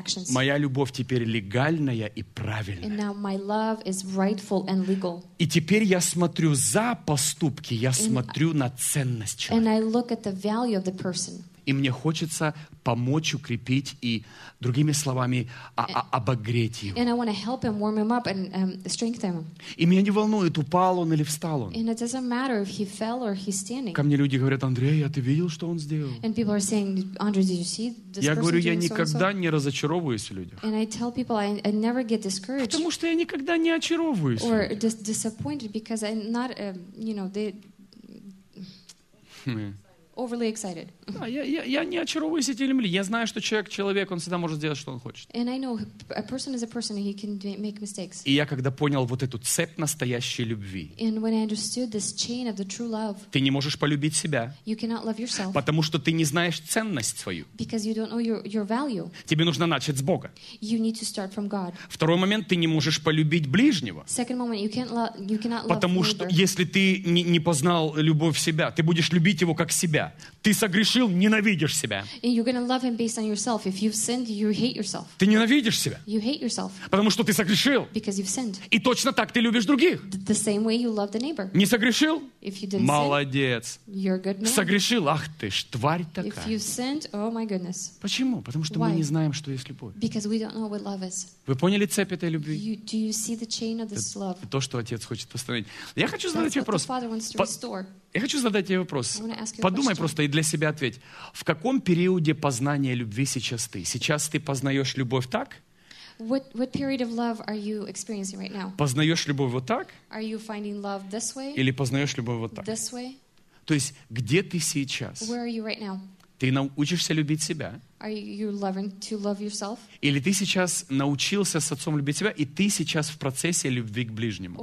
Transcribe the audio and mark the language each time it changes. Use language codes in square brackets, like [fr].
[ru] Моя любовь теперь легальная и правильная. И теперь я смотрю за поступки, я смотрю на ценность человека. И мне хочется помочь укрепить и, другими словами, обогреть его. [en] And I want to help him, warm him up, and strengthen him. [ru] И меня не волнует, упал он или встал он. [en] And it doesn't matter if he fell or he's standing. [ru] Ко мне люди говорят, Андрей, а ты видел, что он сделал? [en] And people are saying, Andre, did you see this person? [ru] Я говорю, я [en] doing [ru] никогда [en] so-and-so? [ru] Не разочаровываюсь в людях. [en] And I tell people, I never get discouraged. [ru] Потому что я никогда не очаровываюсь. [en] Or disappointed because I'm not, you know, they. Overly excited. [ru] Я не очаровываюсь этими людьми. Я знаю, что человек человек, он всегда может сделать, что он хочет. [en] And I know a person is a person, he can make mistakes. [ru] И я когда понял вот эту цепь настоящей любви. [en] And when I understood this chain of the true love. [ru] Ты не можешь полюбить себя. [en] You cannot love yourself. [ru] Потому что ты не знаешь ценность свою. [en] Because you don't know your value. [ru] Тебе нужно начать с Бога. [en] You need to start from God. [ru] Второй момент, ты не можешь полюбить ближнего. [en] Second moment, you cannot love. [ru] Потому что если ты не познал любовь себя, ты будешь любить его как себя. Ты согрешил, ненавидишь себя. [en] And you're gonna love him based on yourself. If you've sinned, you hate yourself. [ru] Ты ненавидишь себя. [en] You hate yourself. [ru] Потому что ты согрешил. [en] Because you've sinned. [ru] И точно так ты любишь других. [en] The same way you love the neighbor. [ru] Не согрешил? [en] If you didn't [ru] Молодец. [en] Sin, you're a good man. [ru] Согрешил? Ах ты ж, тварь такая. [en] If you've sinned, oh my goodness. [ru] Почему? Потому что [en] Why? [ru] Мы не знаем, что есть любовь. [en] Because we don't know what love is. [ru] Вы поняли цепь этой любви? [en] You, do you see the chain of this love? [ru] То, что Отец хочет восстановить. Я хочу задать вопрос. [en] That's what the Father wants to restore. [ru] Я хочу задать тебе вопрос. Подумай просто и для себя ответь. В каком периоде познания любви сейчас ты? Сейчас ты познаешь любовь так? [en] What period of love are you experiencing right now? [ru] Познаешь любовь вот так? [en] Are you finding love this way? [ru] Или познаешь любовь вот так? [en] This way? [ru] То есть, где ты сейчас? [en] Where are you right now? [ru] Ты научишься любить себя? [en] Are you learning to love yourself? [ru] Или ты сейчас научился с Отцом любить себя, и ты сейчас в процессе любви к ближнему?